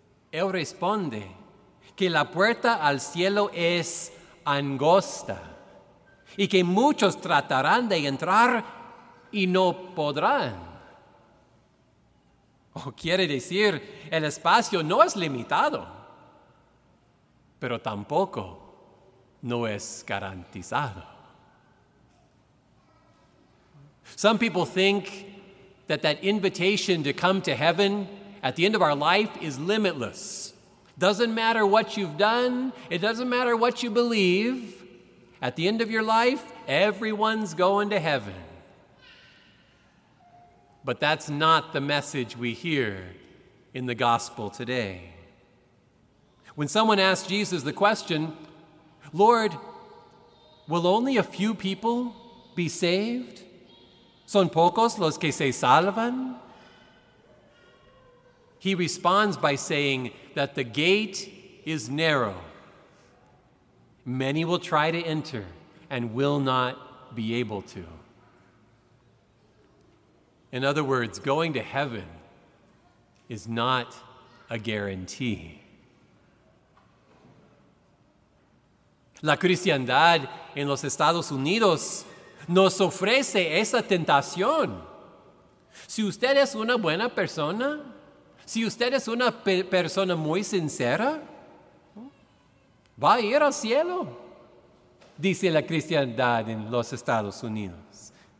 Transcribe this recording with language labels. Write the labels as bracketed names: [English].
[Spanish] Él responde que la puerta al cielo es angosta y que muchos tratarán de entrar y no podrán. O quiere decir, el espacio no es limitado, pero tampoco no es garantizado. [English] Some people think that invitation to come to heaven at the end of our life is limitless. Doesn't matter what you've done, it doesn't matter what you believe, at the end of your life, everyone's going to heaven. But that's not the message we hear in the gospel today. When someone asked Jesus the question, Lord, will only a few people be saved? [Spanish] ¿Son pocos los que se salvan? [English] He responds by saying that the gate is narrow. Many will try to enter and will not be able to. In other words, going to heaven is not a guarantee. [Spanish] La cristiandad en los Estados Unidos nos ofrece esa tentación. Si usted es una buena persona, si usted es una persona muy sincera, va a ir al cielo, dice la cristiandad en los Estados Unidos.